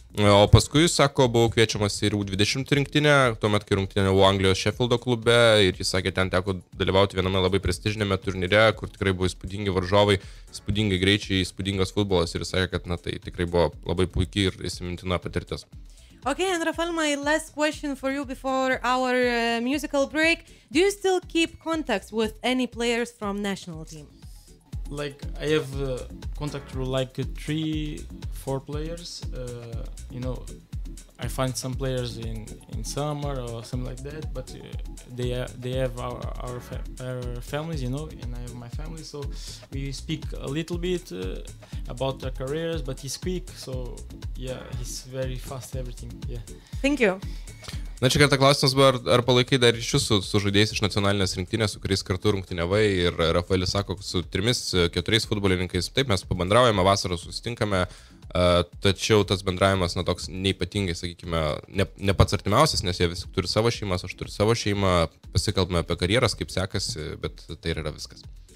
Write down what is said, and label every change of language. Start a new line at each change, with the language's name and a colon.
Lithuanian: O paskui, sako, buvau kviečiamas ir U20 rinktinę, tuomet, kai rungtyniavau Anglijos Sheffield'o klube, ir jis sakė, ten teko dalyvauti viename labai prestižinėme turnyre, kur tikrai buvo įspūdingi varžovai, įspūdingai greičiai, įspūdingas futbolas, ir jis sakė, kad na, tai tikrai buvo labai puiki ir įsimintina patirtis.
English: Okay, and Rafael, my last question for you before our musical break. Do you still keep contacts with any players from national team? like I have contact with like 3-4 players, you know, I find some players in summer or something like that, but they have our families, you know, and I have my family, so we speak a little bit about their careers, but he's quick, so yeah, he's very fast everything, yeah. Thank you.
Lithuanian: Na, čia kartą klausimas buvo, ar palaikai dar ryšius su žaidėjais iš nacionalinės rinktinės, su kuriais kartu rungtyniavai, ir Rafaelis sako, su 3-4 futbolininkais, taip, mes pabendraujame, vasarą susitinkame, tačiau tas bendravimas, na, toks neypatingai, sakykime, ne pats artimiausias, nes jie visi turi savo šeimas, aš turiu savo šeimą, pasikalbame apie karjeras, kaip sekasi, bet tai yra viskas.